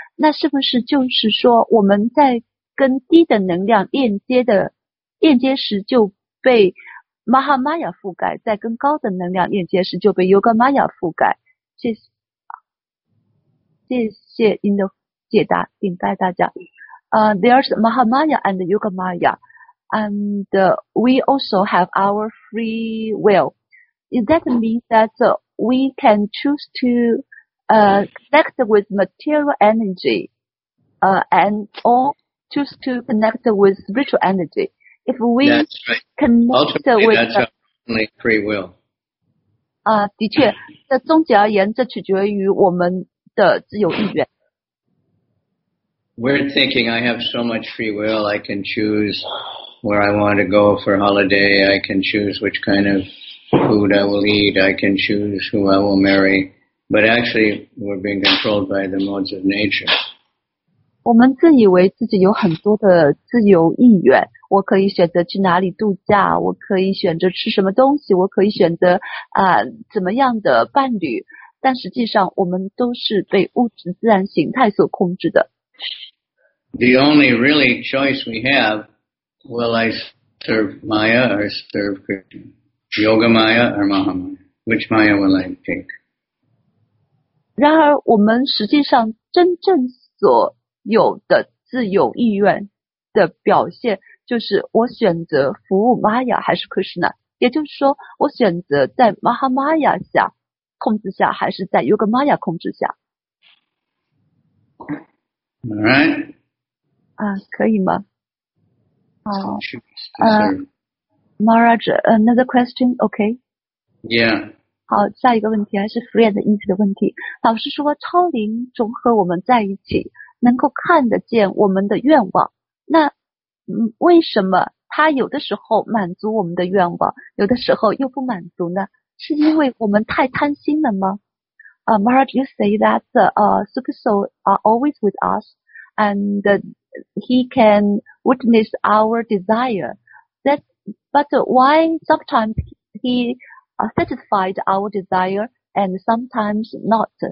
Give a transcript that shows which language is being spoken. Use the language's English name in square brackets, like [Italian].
[Chinese] 那是不是就是说我们在跟低等能量链接时就被 Mahamaya 覆盖，在跟高等能量链接时就被 Yoga Maya 覆盖。谢谢您的解答，顶拜大家。 [English] There's Mahamaya and Yoga Maya, and we also have our free will. That means that we can choose to connect with material energy, and choose to connect with spiritual energy. If we connect ultimately, with that's only free will. [Chinese] 的确，这总结而言，这取决于我们的自由意愿。 [English] We're thinking, I have so much free will. I can choose where I want to go for holiday. I can choose which kind of food I will eat. I can choose who I will marry. But actually, we're being controlled by the modes of nature. [Chinese] 我们自以为自己有很多的自由意愿，我可以选择去哪里度假，我可以选择吃什么东西，我可以选择怎么样的伴侣，但实际上我们都是被物质自然形态所控制的。 [English] The only really choice we have, will I serve Maya or serve Krishna? Yoga Maya or Mahamaya? Which Maya will I take? [Chinese] 然而我们实际上真正所有的自由意愿的表现就是我选择服务 Maya 还是 Krishna， 也就是说我选择在 Mahamaya 下控制下还是在 Yoga Maya 控制下。 [English] Alright 可以吗？ Maharaj another question OK yeah。 [Chinese] 好，下一个问题还是 free and easy 的问题。老师说超灵总和我们在一起，能够看得见我们的愿望，那为什么他有的时候满足我们的愿望，有的时候又不满足呢？是因为我们太贪心了吗？ [English] Maharaj, you say that the super soul are always with us and he can witness our desire. But why sometimes he satisfied our desire and sometimes not?